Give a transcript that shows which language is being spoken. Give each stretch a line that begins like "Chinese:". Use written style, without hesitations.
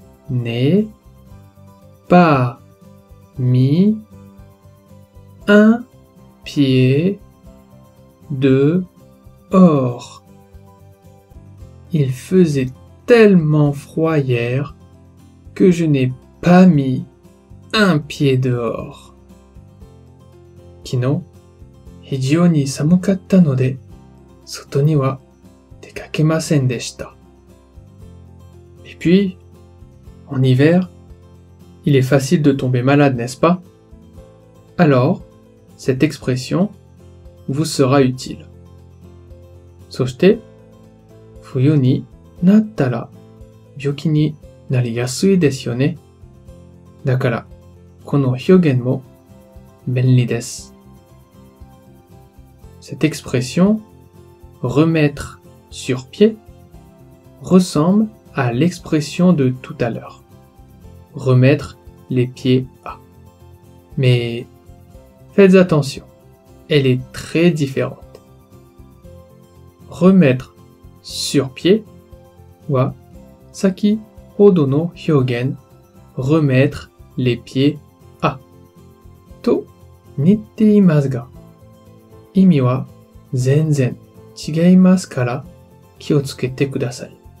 French: n'ai pas mis un pied dehors. Il faisait tellement froid hier que je n'ai pas mis un pied dehors.
Japanese: 昨日、非常に寒かったので、外には出かけませんでした。
French: Et puis,En hiver, il est facile de tomber malade, n'est-ce pas? Alors, cette expression vous sera utile.
Japanese: そして、冬になったら病気になりやすいですよね。だから、この表現も便利です。
French: Cette expression, remettre sur pied, ressemble à l'expression de tout à l'heure. Remettre les pieds à. Mais faites attention, elle est très différente. Remettre sur pied
Japanese: は先ほどの表現
French: remettre les pieds à
Japanese: と似ていますが意味は全然違いますから気をつけてください。